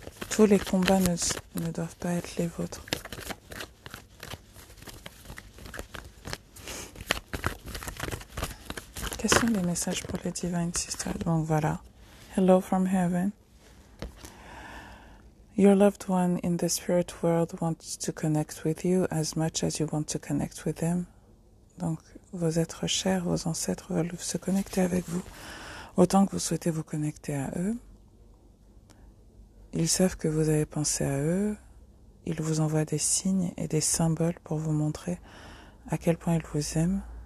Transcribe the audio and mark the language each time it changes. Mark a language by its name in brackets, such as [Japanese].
[French] Tous les combats ne doivent pas être les vôtres. Quels sont les messages pour les Divine Sisters? Donc voilà. [English] Hello from heaven. Your loved one in the spirit world wants to connect with you as much as you want to connect with them. [French] Donc vos êtres chers, vos ancêtres veulent se connecter avec vous autant que vous souhaitez vous connecter à eux. Ils savent que vous avez pensé à eux. Ils vous envoient des signes et des symboles pour vous montrer à quel point ils vous aiment.